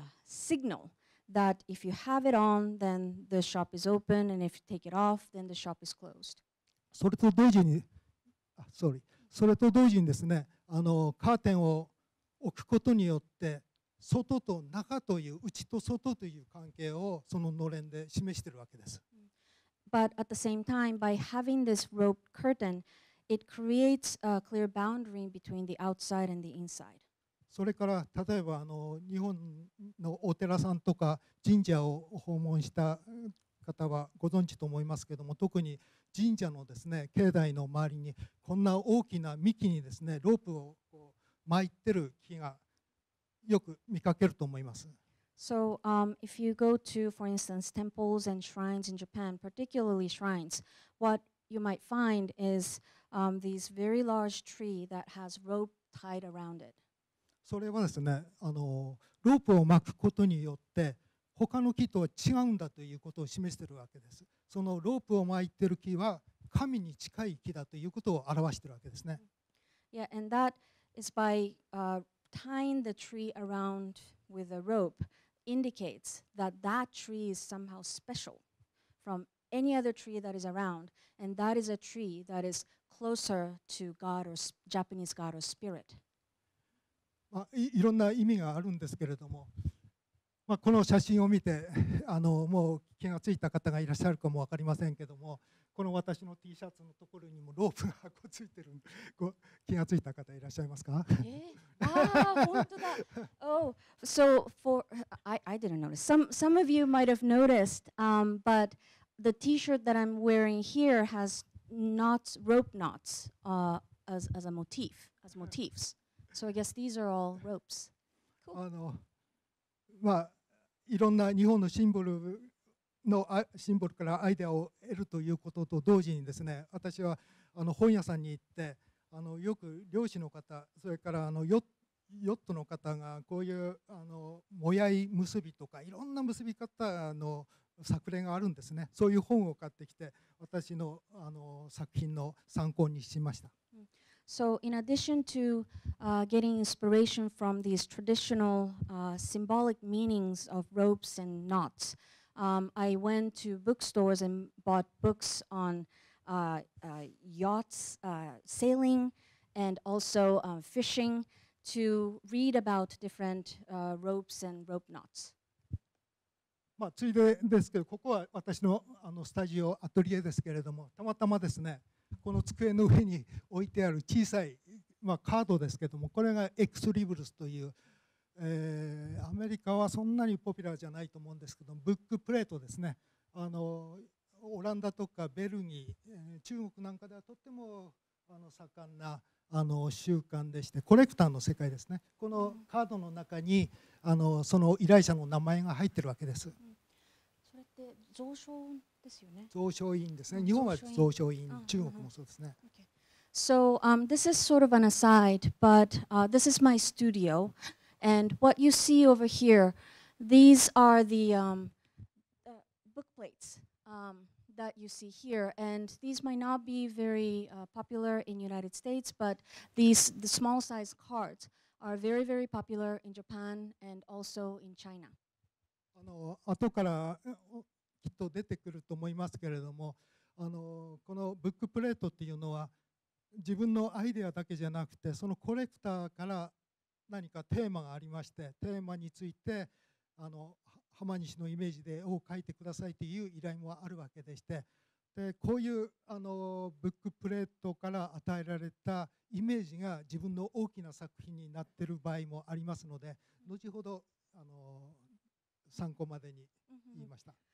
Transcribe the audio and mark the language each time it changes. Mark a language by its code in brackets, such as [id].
[en] signal that if you have it on, then the shop is open, and if you take it off, then the shop is closed. [ja] それと同時に、 [en] sorry、 [ja] それと同時にですね、カーテンを置くことによって、外と中という、内と外という関係をそののれんで示しているわけです。 [en] But at the same time, by having this roped curtain, it creates a clear boundary between the outside and the inside. [ja] それから例えば日本のお寺さんとか神社を訪問した方はご存知と思いますけども、特に神社のですね、境内の周りにこんな大きな幹にですね、ロープをこう巻いてる木がよく見かけると思います。 [en] So, if you go to, for instance, temples and shrines in Japan, particularly shrines, what you might find is these very large tree that has rope tied around it. [ja] それはですね、ロープを巻くことによって他の木とは違うんだということを示しているわけです。そのロープを巻いている木は神に近い木だということを表しているわけですね。 [en] Yeah, and that is by tying the tree around with a rope. Indicates that that tree is somehow special from any other tree that is around, and that is a tree that is closer to God or Japanese God or spirit. [ja] まあ、いろんな意味があるんですけれども、まあ、この写真を見て、もう気がついた方がいらっしゃるかもわかりませんけれども、この私の T シャツのところにもロープがこうついてる、気がついた方いらっしゃいますか？ [en] Ah, [ja] 本当だ。 [en] Oh, so for I didn't notice. Some of you might have noticed, but the T-shirt that I'm wearing here has knots, rope knots, as a motif, as motifs. So I guess these are all ropes. Cool. [ja] まあ、いろんな日本のシンボルのシンボルからアイデアを得るということと同時にですね、私は本屋さんに行って、よく漁師の方、それからヨットの方がこういうもやい結びとかいろんな結び方の作例があるんですね。そういう本を買ってきて、私の作品の参考にしました。 [en] So in addition to getting inspiration from these traditional symbolic meanings of ropes and knots,I went to bookstores and bought books on yachts, sailing, and also fishing to read about different ropes and rope knots. [ja] まあ、ついでですけど、ここは私の、スタジオ、アトリエですけれども、たまたまですね、この机の上に置いてある小さい、まあ、カードですけども、これがエクスリブルスというアメリカはそんなにポピュラーじゃないと思うんですけど、ブックプレートですね、オランダとかベルギー、中国なんかではとっても盛んな習慣でして、コレクターの世界ですね、このカードの中にその依頼者の名前が入ってるわけです。それって蔵書ですよね。蔵書院ですね、日本は蔵書院、中国もそうですね。 [en] So, this is sort of an aside, but this is my studio. And what you see over here, these are the book plates that you see here. And these might not be very popular in the United States, but the small size cards are very, very popular in Japan and also in China. [ja] 後からきっと出てくると思いますけれども、このブックプレートっていうのは自分のアイデアだけじゃなくて、そのコレクターから何かテーマがありまして、テーマについて浜西のイメージで絵を描いてくださいという依頼もあるわけでして、でこういうブックプレートから与えられたイメージが自分の大きな作品になっている場合もありますので、後ほど参考までに言いました。